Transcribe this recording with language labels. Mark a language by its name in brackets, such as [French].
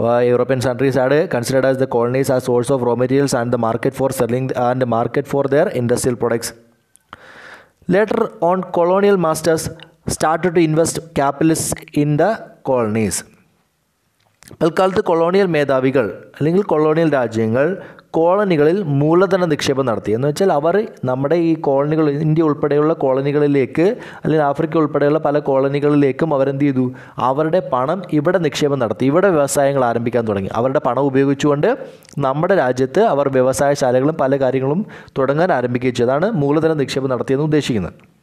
[English] European countries had considered as the colonies as source of raw materials and market for selling and market for their industrial products. Later on, colonial masters started to invest capitalists in the colonies. [Malayalam] പൽക്കാലത്ത് colonial മേധാവികൾ അല്ലെങ്കിൽ colonial രാജ്യങ്ങൾ കോളനികളിൽ മൂലധന നിക്ഷേപം നടത്തി. എന്ന് വെച്ചാൽ അവർ നമ്മുടെ ഈ കോളനികൾ ഇന്ത്യ ഉൾപ്പെടെയുള്ള കോളനികളിലേക്ക് അല്ലെങ്കിൽ ആഫ്രിക്ക ഉൾപ്പെടെയുള്ള പല കോളനികളിലേക്കും അവരെന്ത് ചെയ്തു, അവരുടെ പണം ഇവിടെ നിക്ഷേപം നടത്തി, ഇവിടെ വ്യവസായങ്ങൾ ആരംഭിക്കാൻ തുടങ്ങി. അവരുടെ പണം ഉപയോഗിച്ചുകൊണ്ട് നമ്മുടെ രാജ്യത്ത് അവർ വ്യവസായശാലകളും പല കാര്യങ്ങളും തുടങ്ങാൻ ആരംഭിക്കുകയാണ് മൂലധന നിക്ഷേപം നടത്തിയെന്ന് ഉദ്ദേശിക്കുന്നത്.